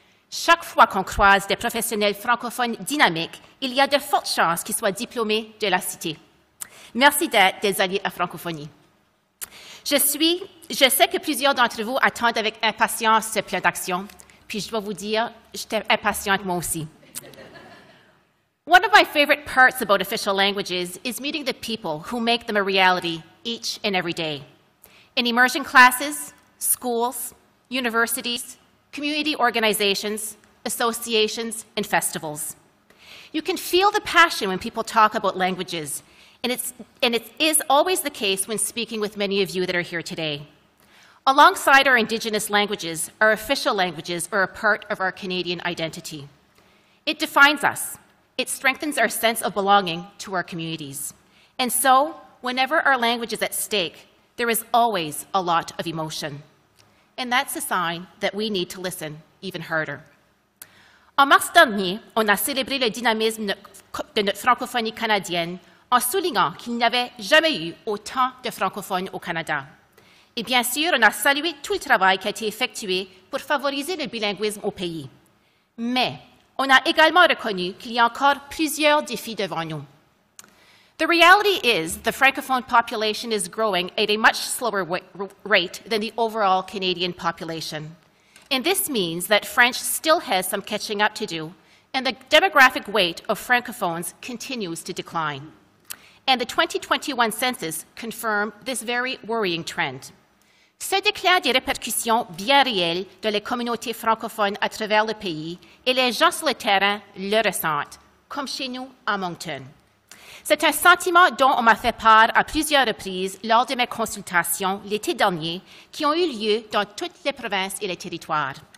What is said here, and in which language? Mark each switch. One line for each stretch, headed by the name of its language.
French: Chaque fois qu'on croise des professionnels francophones dynamiques, il y a de fortes chances qu'ils soient diplômés de la Cité. Merci d'être des alliés de la francophonie. Je sais que plusieurs d'entre vous attendent avec impatience ce plan d'action, puis je dois vous dire, j'étais impatiente moi aussi.
English: One of my favorite parts about official languages is meeting the people who make them a reality each and every day. In immersion classes, schools, universities, community organizations, associations, and festivals. You can feel the passion when people talk about languages, And it is always the case when speaking with many of you that are here today. Alongside our Indigenous languages, our official languages are a part of our Canadian identity. It defines us. It strengthens our sense of belonging to our communities. And so, whenever our language is at stake, there is always a lot of emotion. And that's a sign that we need to listen even harder.
French: En mars dernier, on a célébré le dynamisme de notre francophonie canadienne en soulignant qu'il n'y avait jamais eu autant de francophones au Canada. Et bien sûr, on a salué tout le travail qui a été effectué pour favoriser le bilinguisme au pays. Mais on a également reconnu qu'il y a encore plusieurs défis devant nous.
English: The reality is the francophone population is growing at a much slower rate than the overall Canadian population. And this means that French still has some catching up to do, and the demographic weight of francophones continues to decline. And the 2021 census confirmed this very worrying trend.
French: Ce déclin a des répercussions bien réelles dans les communautés francophones à travers le pays, et les gens sur le terrain le ressentent, comme chez nous à Moncton. C'est un sentiment dont on m'a fait part à plusieurs reprises lors de mes consultations l'été dernier, qui ont eu lieu dans toutes les provinces et les territoires.